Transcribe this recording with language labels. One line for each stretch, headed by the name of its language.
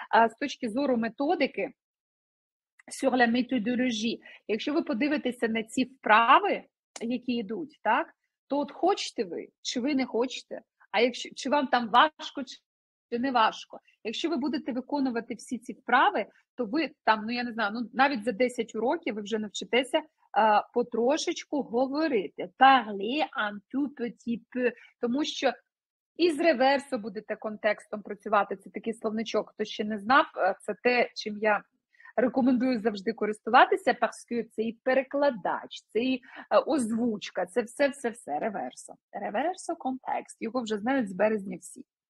Ukrainian: З точки зору методики, sur la méthodologie, якщо ви подивитеся на ці вправи, які йдуть, так, то от хочете ви, чи ви не хочете, а якщо, чи вам там важко, чи не важко. Якщо ви будете виконувати всі ці вправи, то ви там, ну я не знаю, ну навіть за 10 років ви вже навчитеся потрошечку говорити.
French: Parler un tout petit peu.
Ukrainian: Тому що і з реверсу будете контекстом працювати. Це такий словничок, хто ще не знав. Це те, чим я рекомендую завжди користуватися. Parce que це і перекладач, це і озвучка, це все-все-все реверсо. Реверсо контекст. Його вже знають з березня всі.